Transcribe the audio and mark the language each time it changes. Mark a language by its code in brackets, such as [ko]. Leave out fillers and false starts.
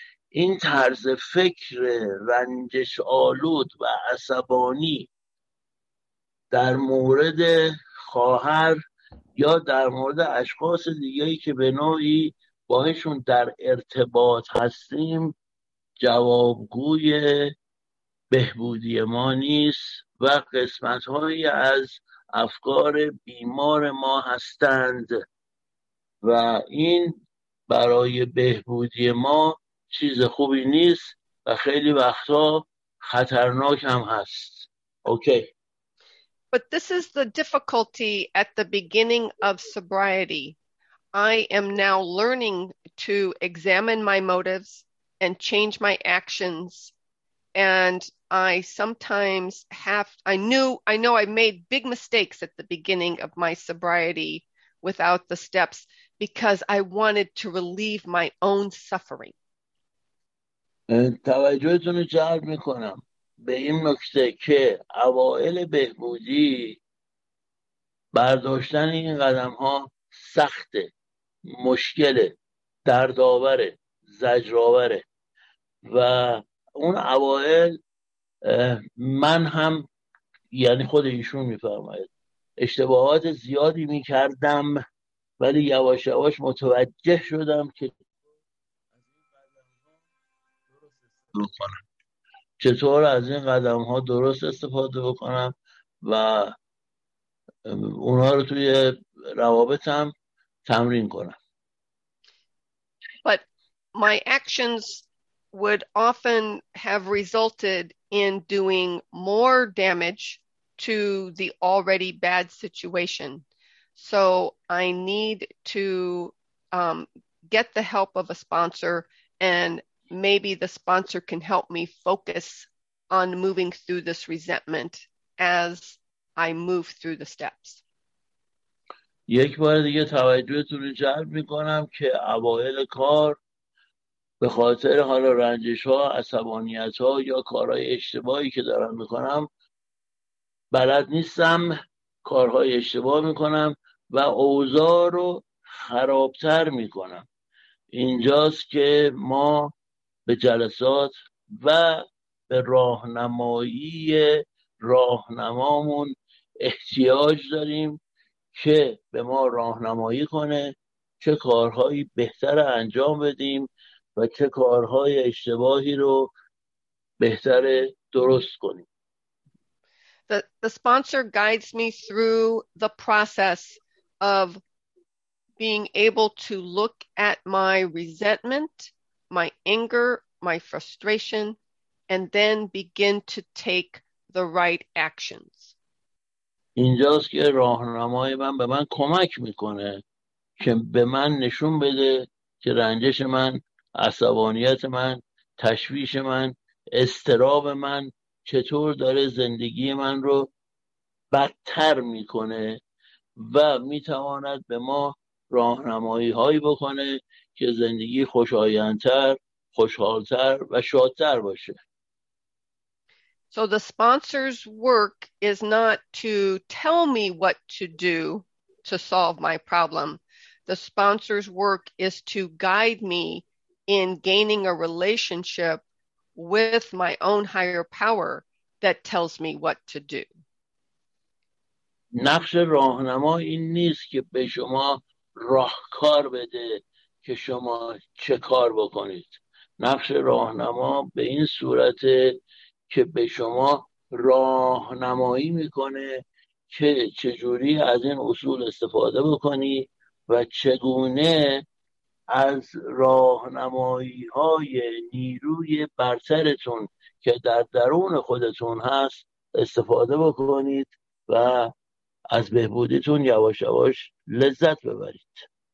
[fa] این طرز فکر رنجش آلود و عصبانی در مورد خواهر یا در مورد اشخاص دیگه‌ای که به نوعی باهشون در ارتباط هستیم جوابگوی بهبودی ما نیست و قسمت‌هایی از افکار بیمار ما هستند و این برای بهبودی ما چیز خوبی نیست و خیلی وقتا خطرناک هم هست. [en] Okay. But this is the difficulty at the beginning of sobriety. I am now learning to examine my motives and change my actions, and I sometimes have, I know I made big mistakes at the beginning of my sobriety without the steps because I wanted to relieve my own suffering. [fa] توجهتون رو جلب میکنم به این نکته که اوائل بهبودی برداشتن این قدم ها سخته، مشکله، دردآوره، زجرآوره و اون اوائل من هم، یعنی خود ایشون میفرماید، اشتباهات زیادی میکردم ولی یواش یواش متوجه شدم که چطور از این قدم ها درست استفاده بکنم و اونها رو توی روابطم تمرین کنم. [en] But my actions would often have resulted in doing more damage to the already bad situation. So I need to get the help of a sponsor, and maybe the sponsor can help me focus on moving through this resentment as I move through the steps. [fa] یک بار دیگه توجهتون رو جلب میکنم که اوائل کار به خاطر حالا رنجش ها، عصبانیت ها یا کارهای اشتباهی که دارم میکنم بلد نیستم، کارهای اشتباه میکنم و اوضاع رو خرابتر میکنم. اینجاست که ما به جلسات و به راهنمایی راهنمامون احتیاج داریم چه به ما راهنمایی کنه چه کارهایی بهتر انجام بدیم و چه کارهای اشتباهی رو بهتر درست کنیم. [en] The sponsor guides me through the process of being able to look at my resentment, my anger, my frustration, and then begin to take the right actions. [fa] اینجاست که راهنمای من به من کمک میکنه که به من نشون بده که رنجش من، عصبانیت من، تشویش من، استراب من چطور داره زندگی من رو بدتر میکنه و میتواند به ما راهنمایی هایی بکنه که زندگی خوشایندتر، خوشحالتر و شادتر باشه. [en] So the sponsor's work is not to tell me what to do to solve my problem. The sponsor's work is to guide me in gaining a relationship with my own higher power that tells me what to do. [fa] نقش راهنما این نیست که به شما راهکار بده که شما چه کار بکنید. نقش راهنما به این صورت که به شما راهنمایی میکنه که چجوری از این اصول استفاده بکنی و چگونه از راهنمایی های نیروی برترتون که در درون خودتون هست استفاده بکنید و از بهبودیتون یواش یواش لذت ببرید.